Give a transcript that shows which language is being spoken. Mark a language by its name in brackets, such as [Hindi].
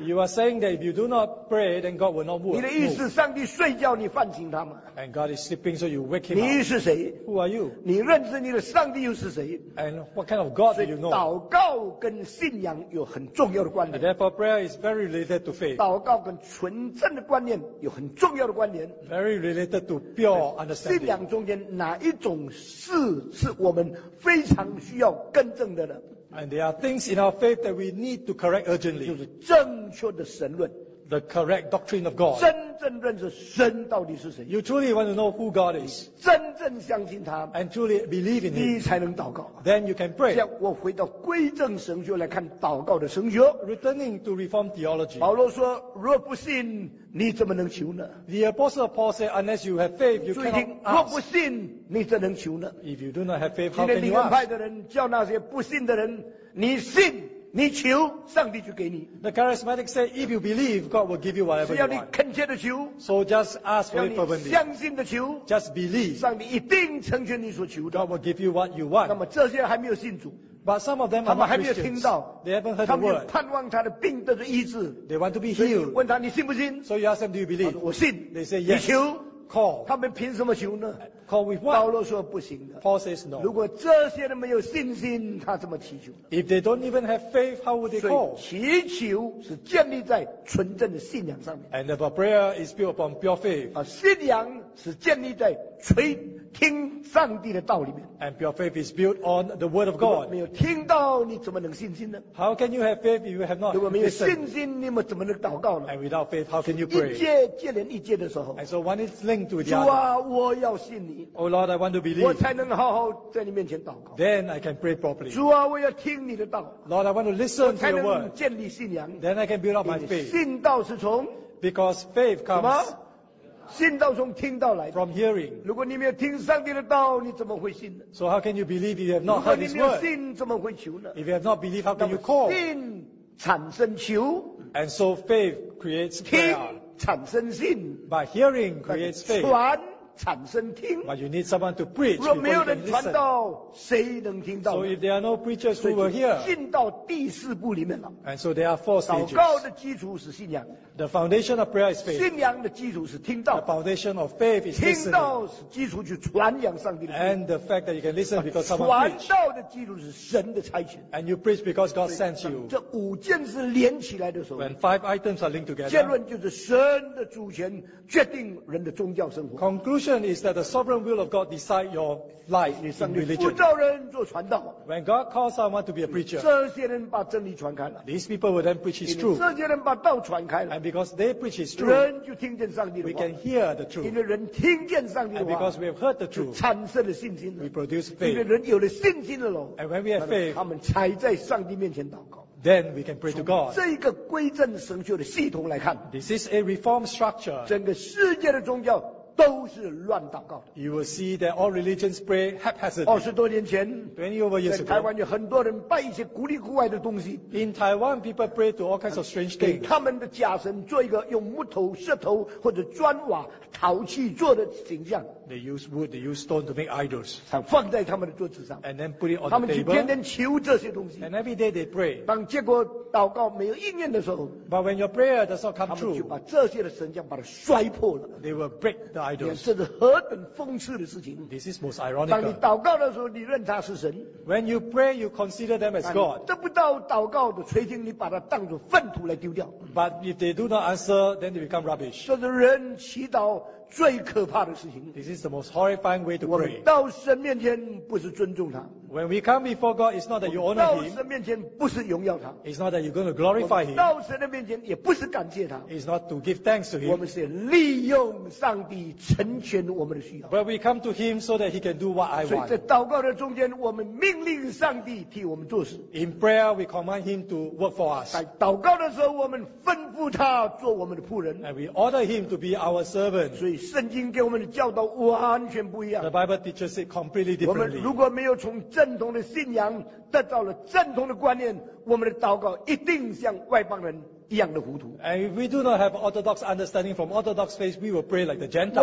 [English] ？You are saying that if you do not pray, then God will not move. [Chinese] 你的意思，上帝睡觉，你唤醒他吗 [English] ？And God is sleeping, so you wake him. [Chinese] 你是谁 [English] ？Who are you? [Chinese] 你认识你的上帝又是谁 [English] ？And what kind of God do you know? [Chinese] 祷告跟信仰有很重要的关联。 [English] Therefore, prayer is very related to faith. [Chinese] 祷告跟纯正的观念有很重要的关联。 [English] Very related to pure understanding. [Chinese] 信仰中间哪一种事是我们非常需要更正的呢 [English] ？And there are things in our faith that we need to correct urgently. [Chinese] 就是正确的神论 [English] ，the correct doctrine of God. [Chinese] 真正认识神到底是谁 [English] ？You truly want to know who God is. [Chinese] 真正相信他 [English] ，and truly believe in Him. [Chinese] 你才能祷告。 [English] Then you can pray. [Chinese] 像我回到归正神学来看祷告的神学 [English] ，returning to Reformed theology. [Chinese] 保罗说：“若不信，你怎么能求呢 [English] ？”The Apostle Paul said, "Unless you have faith, you cannot ask." [Chinese] 若不信你怎能求呢 [English] ？If you do not have faith, how can you ask? [Chinese] 今天灵恩派的人叫那些不信的人，你信，你求，上帝就给你。 [English] The charismatic said, "If you believe, God will give you whatever you want." [Chinese] 是要你恳切的求 [English] ，so just ask for it fervently. [Chinese] 相信的求 [English] ，just believe. [Chinese] 上帝一定成全你所求的。 [English] God will give you what you want. [Chinese] 那么这些还没有信主。 [English] But some of them are not Christians. They haven't heard the word. [Chinese] 他们盼望他的病得着医治。 [English] They want to be healed. [Chinese] 问他你信不信 [English] ？So you ask them, do you believe? [Chinese] 我信。 [English] They say yes. [Chinese] 你求 [English] ？Call. [Chinese] 他们凭什么求呢 [English] ？Call with what? [Chinese] 保罗说不行的。 [English] Paul says no. [Chinese] 如果这些人没有信心，他怎么祈求 [English] ？If they don't even have faith, how would they call? [Chinese] 所以祈求是建立在纯正的信仰上面。 [English] And if a prayer is built upon pure faith. [Chinese] 啊，信仰是建立在垂。听上帝的道里面 [English] ，and your faith is built on the word of God. [Chinese] 如果没有听到，你怎么能信心呢 [English] ？How can you have faith if you have not listened? [Chinese] 如果没有信心，你们怎么能祷告呢 [English] ？And without faith, how can you pray? [Chinese] 一届接连一届的时候 [English] ，and so one is linked to the other. [Chinese] 主啊，我要信你。 [English] Oh Lord, I want to believe. [Chinese] 我才能好好在你面前祷告。 [English] Then I can pray properly. [Chinese] 主啊，我要听你的道。 [English] Lord, I want to listen to your word. [Chinese] 我才能建立信仰。 [English] Then I can build up my faith. [Chinese] 信道是从 [English] ，because faith comes. [Chinese] 信道从听到来的。 [English] From hearing. [Chinese] 如果你没有听上帝的道，你怎么会信呢 [English] ？So how can you believe if you have not heard His word? [Chinese] 如果你没有信，怎么会求呢 [English] ？If you have not believed, how can you call? [Chinese] 信产生求。 [English] And so faith creates prayer. [Chinese] 听产生信。 [English] By hearing creates faith. [Chinese] 传产生听。 [English] But you need someone to preach. [Chinese] 若没有人传道，谁能听到 [English] ？So if there are no preachers who will hear. [Chinese] 信道第四步里面了。 [English] And so there are four stages. [Chinese] 祷告的基础是信仰。 [English] The foundation of prayer is faith. [Chinese] 信仰的基础是听到。 [English] The foundation of faith is listening. [Chinese] 听到是基础，就传扬上帝的。 [English] And the fact that you can listen because someone preach. [Chinese] 传道的基础是神的差遣。 [English] And you preach because God sent you. [Chinese] 这五件事连起来的时候。 [English] When five items are linked together. [Chinese] 结论就是神的主权决定人的宗教生活。 [English] Conclusion is that the sovereign will of God decide your life in religion. [Chinese] 你上帝呼召人做传道。 [English] When God calls someone to be a preacher. [Chinese] 这些人把真理传开了。 [English] These people will then preach His truth. [Chinese] 这些人把道传开了。 [English] Because they preach His truth, we can hear the truth. [Chinese] 因为人听见上帝的话 [English] ，because we have heard the truth, [Chinese] 产生了信心了。 [English] We produce faith. [Chinese] 因为人有了信心了喽。 [English] And when we have faith, [Chinese] 他们才在上帝面前祷告。 [English] Then we can pray to God. [Chinese] 这个归正神学的系统来看 [English] ，this is a reform structure. [Chinese] 整个世界的宗教都是乱祷告的。 [English] You will see that all religions pray haphazard. [Chinese] 二十多年前 [English] ，20 over years ago, [Chinese] 在台湾有很多人拜一些古里古外的东西。 [English] In Taiwan, people pray to all kinds of strange things. [Chinese] 给他们的假神做一个用木头、石头或者砖瓦、陶器做的形象。 [English] They use wood, they use stone to make idols. [Chinese] 放在他们的桌子上。 [English] And then put it on the [Chinese] 他们去天天求这些东西。 [English] And every day they pray. [Chinese] 当结果祷告没有应验的时候 [English] ，But when your prayer does not come true, [Chinese] 他们就把这些的神像把它摔破了。 [English] They will break the idols. [Chinese] 这是何等讽刺的事情。 [English] This is most ironic. [Chinese] 当你祷告的时候，你认他是神。 [English] When you pray, you consider them as God. [Chinese] 得不到祷告的垂听，你把它当作粪土来丢掉。 [English] But if they do not answer, then they become rubbish. [Chinese] 这是人祈祷。最可怕的事情。 [English] This is the most horrifying way to pray. [Chinese] 我们到神面前不是尊重他。 [English] When we come before God, it's not that you honor Him. [Chinese] 到神面前不是荣耀他。 [English] It's not that you're going to glorify Him. [Chinese] 到神的面前也不是感谢他。 [English] It's not to give thanks to Him. [Chinese] 我们是利用上帝成全我们的需要。 [English] But we come to Him so that He can do what I want. [Chinese] 所以在祷告的中间，我们命令上帝替我们做事。 [English] In prayer, we command Him to work for us. [Chinese] 在祷告的时候，我们吩咐他做我们的仆人。 [English] And we order Him to be our servant. [Chinese] 所以圣经给我们的教导完全不一样。 [English] The Bible teaches it completely differently. [Chinese] 我们如果没有从正统的信仰得到了正统的观念，我们的祷告一定像外邦人一样的糊涂。 [English] And if we do not have orthodox understanding from orthodox faith, we will pray like the Gentiles.